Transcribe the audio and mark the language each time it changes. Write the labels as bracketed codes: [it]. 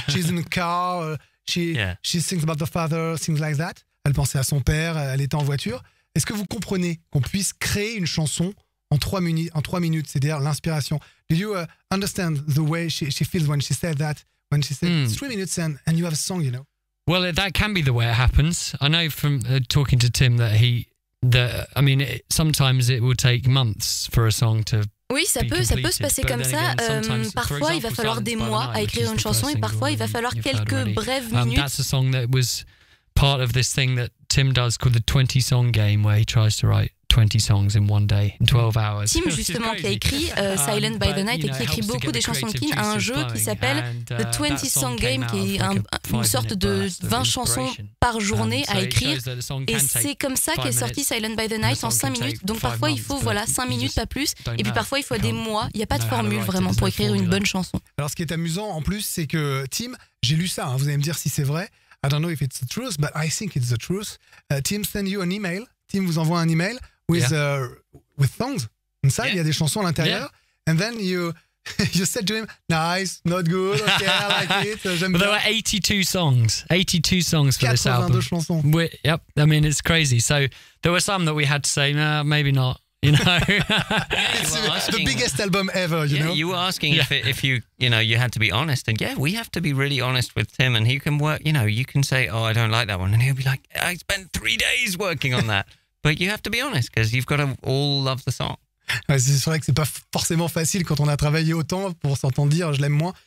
[en] She's in a car, she sings about the father, things like that. [fr] Elle pensait à son père, elle était en voiture. Est-ce que vous comprenez qu'on puisse créer une chanson en 3 minutes, c'est-à-dire l'inspiration? [en] Do you understand the way she feels when she said that? When she said 3 minutes and you have a song, you know? Well, that can be the way it happens. I know from talking to Tim that he... sometimes it will take months for a song to... [fr] Oui, ça peut se passer comme ça. Parfois, il va falloir des mois à écrire une chanson, et parfois, il va falloir quelques brèves minutes. [en] That's a song that was part of this thing that Tim does called the 20 song game, where he tries to write 20 songs in one day, in 12 hours. [fr] Tim, justement, qui a écrit Silent by the Night et qui écrit beaucoup des chansons de Keane, a un jeu qui s'appelle The 20 Song Game, qui est une sorte de 20 chansons par journée à écrire. Et c'est comme ça qu'est sorti Silent by the Night en 5 minutes. Donc parfois, il faut 5 minutes, pas plus. Et puis parfois, il faut des mois. Il n'y a pas de formule vraiment pour écrire une bonne chanson. Alors, ce qui est amusant en plus, c'est que Tim, j'ai lu ça, hein, vous allez me dire si c'est vrai. [en] I don't know if it's the truth, but I think it's the truth. Tim send you an email. [fr] Tim vous envoie un email. [en] With songs inside, [fr] il y a des chansons à l'intérieur. [en] Yeah. And then you said to him, nice, not good, okay, I like it. But there were 82 songs for this album. [fr] 82 chansons. [en] I mean, it's crazy. So there were some that we had to say, nah, maybe not, you know. the biggest album ever, you know. You were asking if you had to be honest. And yeah, we have to be really honest with Tim. And he can work, you know, you can say, oh, I don't like that one. And he'll be like, I spent 3 days working on that. But you have to be honest, because you've got to all love the song. [fr] C'est vrai que c'est pas forcément facile quand on a travaillé autant pour s'entendre dire je l'aime moins.